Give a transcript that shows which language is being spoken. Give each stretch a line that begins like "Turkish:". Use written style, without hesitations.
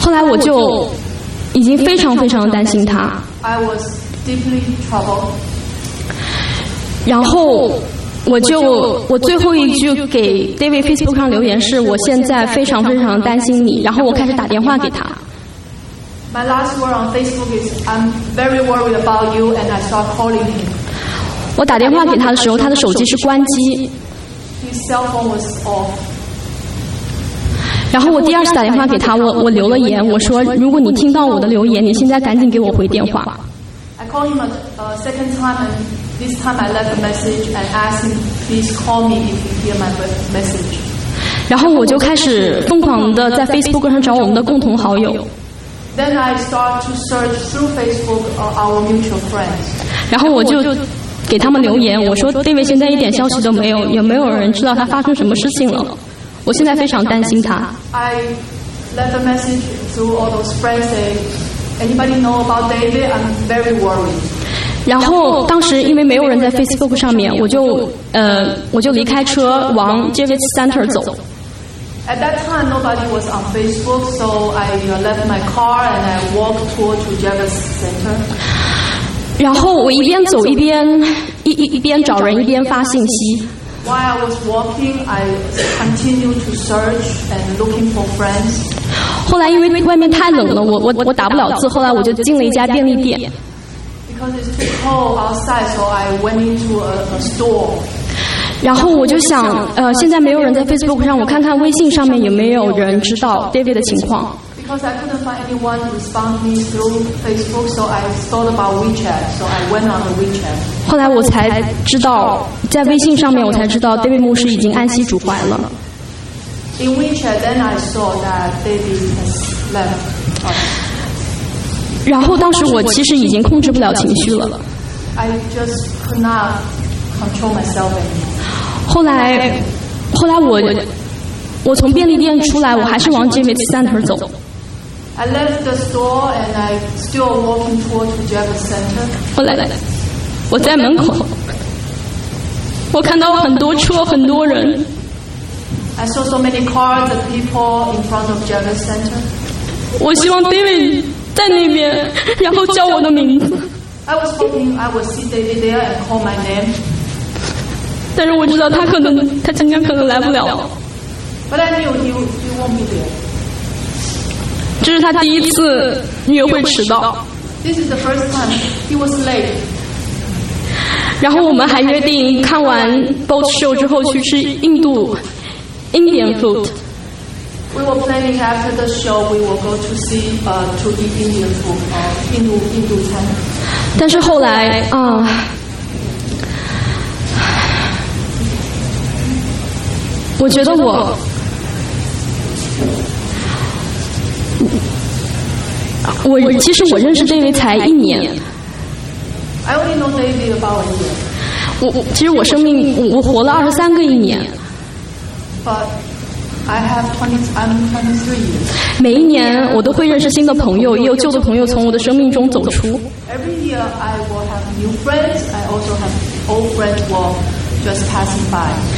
Chinese: 后来我就已经非常非常担心它。
English: I was deeply troubled.
Chinese: 然后我最后一句给 David Facebook 上留言是：我现在非常非常担心你。然后我开始打电话给他。
English: My last word on Facebook is I'm very worried about you, and I start calling him.
Chinese: 我打电话给他的时候，他的手机是关机。
English: His cell phone was off.
Chinese: 然后我第二次打电话给他，我留了言，我说如果你听到我的留言，你现在赶紧给我回电话。
English: I called him a second time, and this time I left a message and asked him please call me if you hear my message.
Chinese: 然后我就开始疯狂的在 Facebook 上找我们的共同好友。
English: Then I start to search through Facebook our mutual friends.
Chinese: 然后我就给他们留言，我说 David 现在一点消息都没有，也没有人知道他发生什么事情了，我现在非常担心他。
English: I left a message to all those friends say anybody know about David? I'm very worried.
Chinese: 然后当时因为没有人在 Facebook 上面，我就离开车往 David's Center 走。
English: At that time nobody was on Facebook, so I left my car and I walked toward to David's Center.
Chinese: 然后我一边走一边一边找人一边发信息。
English: While I was walking, I continued to search and looking for friends.
Chinese: 后来因为外面太冷了，我打不了字，后来我就进了一家便利店。
English: Because it's too cold outside, so I went into a store.
Chinese: 然后我就想，现在没有人在 Facebook 上，我看看微信上面有没有人知道 David 的情况。
English: Because I couldn't find anyone to respond to me through Facebook, so I thought about WeChat, so I went on the WeChat.
Chinese: 后来我才知道，在微信上面我才知道 David 牧师已经安息主怀了。
English: In WeChat, then I saw that David has left.
Chinese: 然后当时我其实已经控制不了情绪了。
English: I just could not control myself anymore.
Chinese: 后来我从便利店出来，我还是往 David Center 走。
English: I left the store and I still walking towards the Javis Center.
Chinese: 后来我在门口，我看到很多车，很多人。
English: I saw so many cars and people in front of Javis Center.
Chinese: 我希望 David 在那边，然后叫我的名字。
English: I was hoping I would see David there and call my name.
Chinese: 但是我知道他今天可能来不了。
English: But I knew he won't be there.
Chinese: 这是他第一次约会迟到。
English: This is the first time he was late.
Chinese: 然后我们还约定看完 boat show 之后去吃印度 food.
English: We were planning after the show we will go to see to eat Indian food,
Chinese: 印度餐。但是后来啊。我觉得我。我其实我认识 David 才一年。
English: I only know David about a year.
Chinese: 我活了二十三个一年。
English: But I have twenty-three years.
Chinese: 每一年我都会认识新的朋友，也有旧的朋友从我的生命中走出。
English: Every year I will have new friends. I also have old friends who are just passing by.